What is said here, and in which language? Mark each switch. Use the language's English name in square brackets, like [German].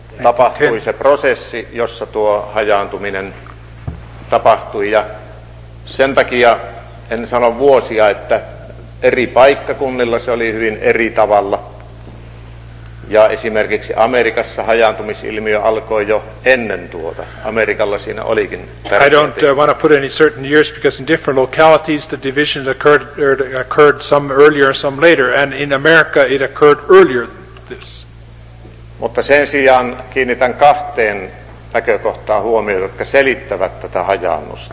[Finnish] Tapahtui se prosessi, jossa tuo hajaantuminen tapahtui, ja sen takia en sano vuosia, että eri paikkakunnilla se oli hyvin eri tavalla. Ja esimerkiksi Amerikassa hajaantumisilmiö alkoi jo ennen tuota. Amerikalla siinä olikin tärkeä. [English] I don't want to put any certain years, because in different localities the division occurred some earlier, some later, and in America it occurred earlier than this. [Finnish] Mutta sen sijaan kiinnitän kahteen näkökohtaan huomiota, jotka selittävät tätä hajaannusta.